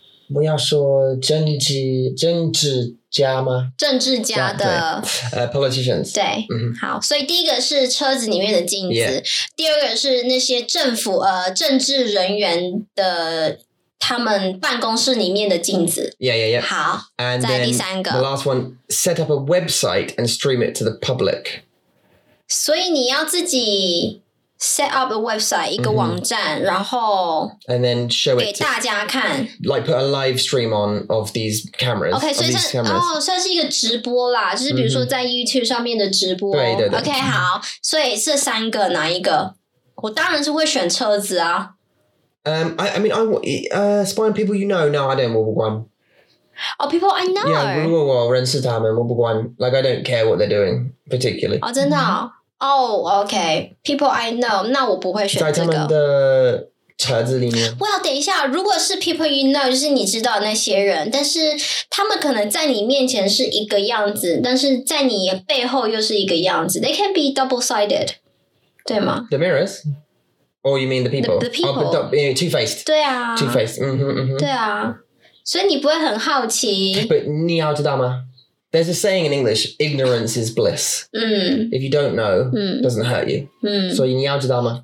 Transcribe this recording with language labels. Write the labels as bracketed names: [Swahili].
[Chinese] 不要说政治家吗？政治家的 [English] politicians [Chinese] 对、好，所以第一个是车子里面的镜子， [English] yeah. [Chinese] 第二个是那些政府政治人员的他们办公室里面的镜子。 [English] Yeah. [Chinese] 好， [English] and [Chinese] 再第三个 [English] the last one set up a website and stream it to the public. [Chinese] 所以你要自己。 [English] Set up a website, [Chinese] 一个网站，然后 [English] and then show it [Chinese] 给大家看 [English] like put a live stream on of these cameras. [Chinese] Okay, 所以算哦，算是一个直播啦，就是比如说在 YouTube 上面的直播。对对对。 Okay, 好，所以这三个哪一个？我当然是会选车子啊。 [English] spy on people you know. No, I don't want one. Oh, people I know. [Chinese] Yeah, 我认识他们，我不管。 [English] Like, I don't care what they're doing, particularly. [Chinese] Oh, 真的?Oh, okay. [English] People I know, [Chinese] 那我不会选这个。在他们的... 车子里面 Well, 等一下 如果是 [English] people you know [Chinese] 就是你知道那些人 但是他们可能在你面前是一个样子 但是在你背后又是一个样子 [English] They can be double-sided [Chinese] 对吗? [English] The mirrors? Or you mean the people? The people oh, but, yeah, Two-faced [Chinese] 对啊 [English] Two-faced mm-hmm, mm-hmm. [Chinese] 对啊 所以你不会很好奇 But 你要知道吗? [English] There's a saying in English Ignorance is bliss If you don't know It doesn't hurt you So you need to know